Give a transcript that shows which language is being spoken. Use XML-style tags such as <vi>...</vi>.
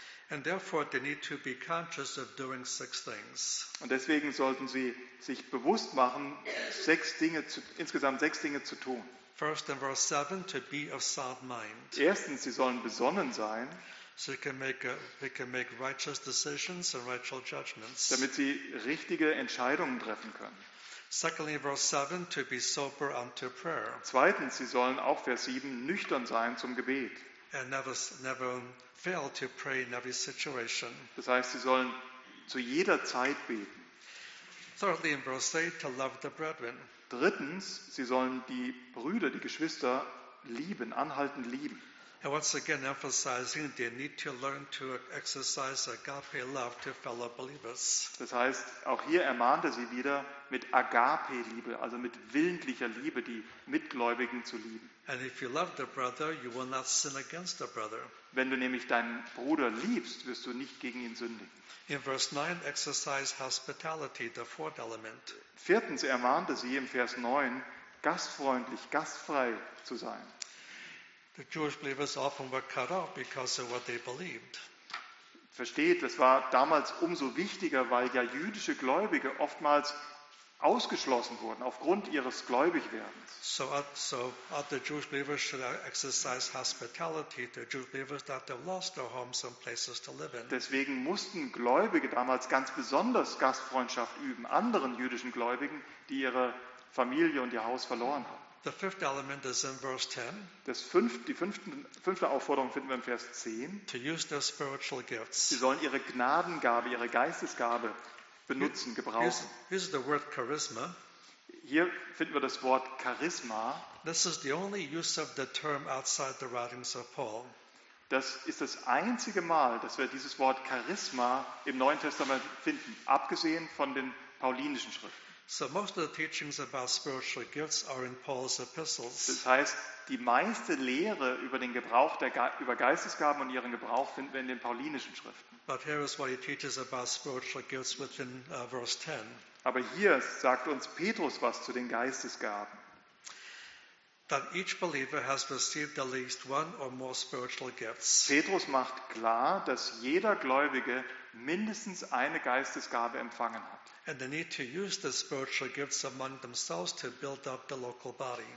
<en>And therefore they need to be conscious of doing 6 things.</en> <de>Und deswegen sollten sie sich bewusst machen, insgesamt sechs Dinge zu tun.</de> <en>First in verse 7, to be of sound mind.</en> <de>Erstens, sie sollen besonnen sein.</de> <en>So we can make righteous decisions and righteous judgments.</en> <de>Damit sie richtige Entscheidungen treffen können.</de> <en>Secondly, verse 7, to be sober unto prayer.</en> <de>Zweitens, sie sollen auch Vers 7 nüchtern sein zum Gebet.</de> <en>And never fail to pray in every situation.</en> <de>Das heißt, sie sollen zu jeder Zeit beten.</de> <en>Thirdly, in verse 8, to love the brethren.</en> <de>Drittens, sie sollen die Brüder, die Geschwister lieben, anhaltend lieben.</de> <en>And once again emphasizing, they need to learn to exercise agape love to fellow believers.</en> <de>Das heißt, auch hier ermahnte sie wieder, mit agape Liebe, also mit willentlicher Liebe, die Mitgläubigen zu lieben.</de> <en>And if you love the brother, you will not sin against the brother.</en> <de>Wenn du nämlich deinen Bruder liebst, wirst du nicht gegen ihn sündigen.</de> <en>In verse 9, exercise hospitality, the fourth element.</en> <de>Viertens ermahnte sie im Vers 9, gastfreundlich, gastfrei zu sein.</de> <en>The Jewish believers often were cut off because of what they believed.</en> <de>Versteht, das war damals umso wichtiger, weil ja jüdische Gläubige oftmals ausgeschlossen wurden aufgrund ihres Gläubigwerdens.</de> <en>So are the Jewish believers should exercise hospitality to Jewish believers that they lost their homes and places to live in.</en> <de>Deswegen mussten Gläubige damals ganz besonders Gastfreundschaft üben anderen jüdischen Gläubigen, die ihre Familie und ihr Haus verloren haben.</de> <en>The fifth element is in verse 10.</en> <de>Die fünfte Aufforderung finden wir im Vers 10.</de> <en>To use their spiritual gifts.</en> <de>Sie sollen ihre Gnadengabe, ihre Geistesgabe benutzen, gebrauchen.</de> <en>Here's the word charisma.</en> <de>Hier finden wir das Wort Charisma.</de> <en>This is the only use of the term outside the writings of Paul.</en> <de>Das ist das einzige Mal, dass wir dieses Wort Charisma im Neuen Testament finden, abgesehen von den paulinischen Schriften.</de> <en>So most of the teachings about spiritual gifts are in Paul's epistles.</en> <de>Das heißt, die meiste Lehre über den Gebrauch der über Geistesgaben und ihren Gebrauch finden wir in den paulinischen Schriften.</de> <en>But here is what he teaches about spiritual gifts within verse 10.</en> <de>Aber hier sagt uns Petrus was zu den Geistesgaben.</de> <en>That each believer has received at least one or more spiritual gifts.</en> <de>Petrus macht klar, dass jeder Gläubige mindestens eine Geistesgabe empfangen hat.</de> <en>And they need to use the spiritual gifts among themselves to build up the local body.</en>